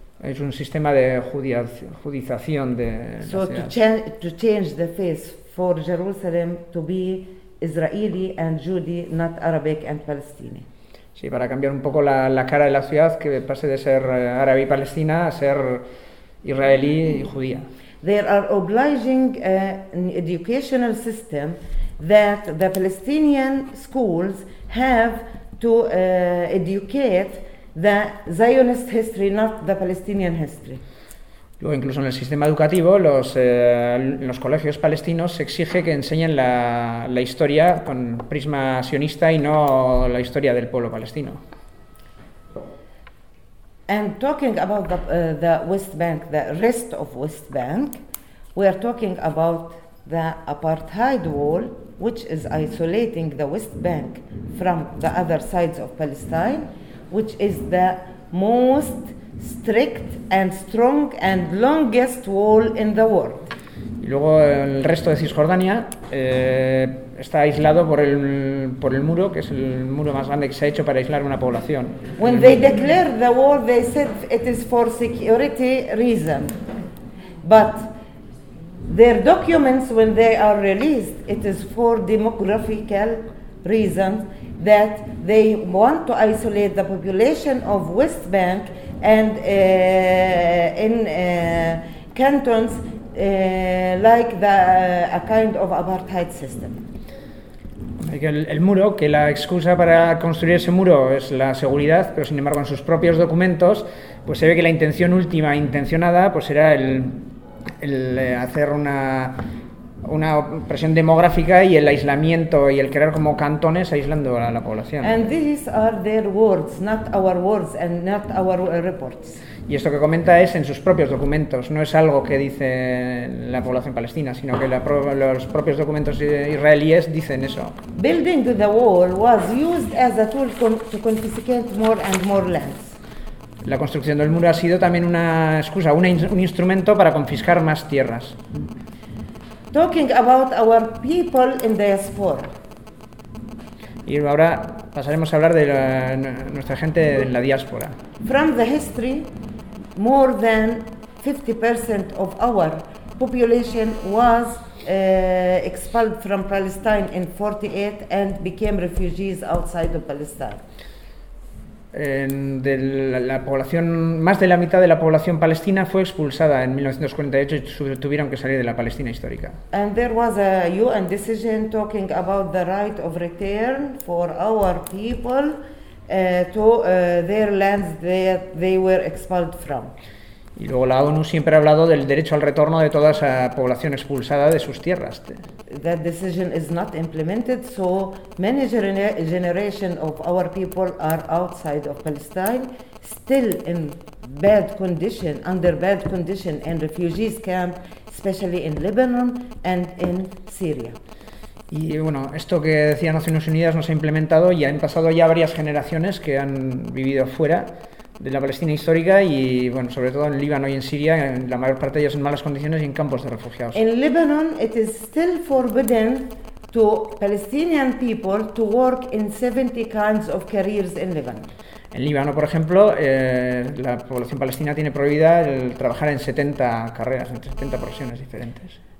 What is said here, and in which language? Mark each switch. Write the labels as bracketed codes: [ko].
[es] Es un sistema de judización de la ciudad. [en] To change the face for Jerusalem to be Israeli and Judy, not Arabic and Palestinian. [es] Sí, para cambiar un poco la cara de la ciudad, que pase de ser árabe y palestina a ser israelí y judía. [en] They are obliging an educational system that the Palestinian schools have to educate the Zionist history, not the Palestinian history. [es] Luego, incluso en el sistema educativo, los colegios palestinos se exige que enseñen la historia con prisma sionista y no la historia del pueblo palestino. [en] And talking about the West Bank, the rest of West Bank, we are talking about the apartheid wall, which is isolating the West Bank from the other sides of Palestine, which is the most strict and strong and longest wall in the world. [es] Y luego el resto de Cisjordania está aislado por el muro, que es el muro más grande que se ha hecho para aislar una población. [en] When they declared the war, they said it is for security reason. But their documents, when they are released, it is for demographical reason that they want to isolate the population of West Bank and in cantons like a kind of apartheid system. [es] El muro, que la excusa para construir ese muro es la seguridad, pero sin embargo en sus propios documentos pues se ve que la intención última intencionada pues era el hacer una presión demográfica y el aislamiento y el crear como cantones aislando a la población. [en] And these are their words, not our words and not our reports. [es] Y esto que comenta es en sus propios documentos, no es algo que dice la población palestina, sino que los propios documentos israelíes dicen eso. [en] Building the wall was used as a tool to confiscate more and more lands. [es] La construcción del muro ha sido también una excusa, un instrumento para confiscar más tierras. [en] Talking about our people in the diaspora. [es] Y ahora pasaremos a hablar de nuestra gente en la diáspora. [en] From the history, more than 50% of our population was expelled from Palestine in 48 and became refugees outside of Palestine. [es] La población, más de la mitad de la población palestina fue expulsada en 1948 y tuvieron que salir de la Palestina histórica. [en] And there was a UN decision talking about the right of return for our people to their lands that they were expelled from. [es] Y luego la ONU siempre ha hablado del derecho al retorno de toda esa población expulsada de sus tierras. [en] That decision is not implemented, so many generation of our people are outside of Palestine, still in bad condition, under bad condition in refugees camp, especially in Lebanon and in Syria. [es] Y bueno, esto que decía Naciones Unidas no se ha implementado y han pasado ya varias generaciones que han vivido fuera de la Palestina histórica y bueno, sobre todo en Líbano y en Siria, en la mayor parte de ellos en malas condiciones y en campos de refugiados. [en] In Lebanon, it is still forbidden to Palestinian people to work in 70 kinds of careers in Lebanon. [es] En Líbano, por ejemplo, la población palestina tiene prohibida el trabajar en 70 carreras, en 70 profesiones diferentes.